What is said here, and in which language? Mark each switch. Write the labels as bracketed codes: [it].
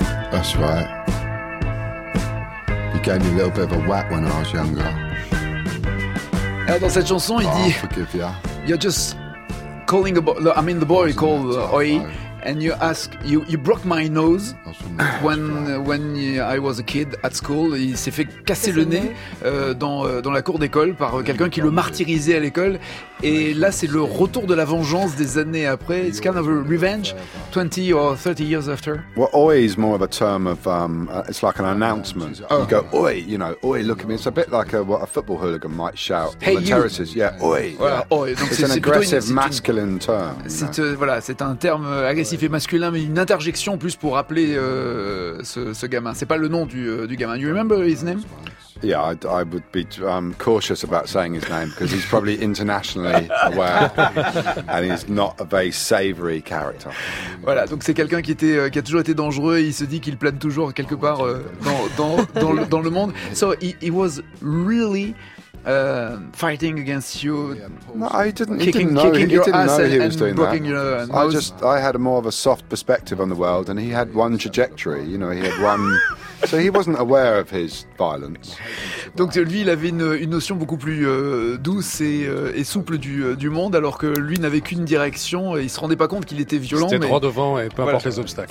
[en] That's right. You gave me a little bit of a whack when I was younger. [fr] Et dans cette chanson, il dit, [en] forgive you. You're just calling a boy, I mean the boy called Oi, and you ask, you broke my nose when I was a kid at school. [fr] Il s'est fait casser le nez dans la cour d'école par quelqu'un qui le martyrisait à l'école. Et là, c'est le retour de la vengeance des années après. [en] It's kind of a revenge, 20 or 30 years after. Well, oi is more of a term of, it's like an announcement. Oh. You go, oi, you know, oi, look at me. It's a bit like what a football hooligan might shout. Hey, on the terraces. Yeah, oi. Yeah. Oi. Donc it's an aggressive masculine term. [fr] C'est, voilà, c'est un terme agressif et masculin, mais une interjection plus pour rappeler ce gamin. C'est pas le nom du gamin. [en] You remember his name? Yeah, I would be cautious about saying his name because he's probably internationally aware and he's not a very savory character. [fr] Voilà, donc c'est quelqu'un qui a toujours été dangereux et il se dit qu'il plane toujours quelque part dans le monde. [en] So he was really fighting against you. No, I had more of a soft perspective on the world and he had one trajectory, you know, he had one. So he wasn't aware of his violence. [fr] Donc lui, il avait une notion beaucoup plus douce et souple du monde, alors que lui n'avait qu'une direction et il se rendait pas compte qu'il était violent. C'était droit devant et peu importe les obstacles.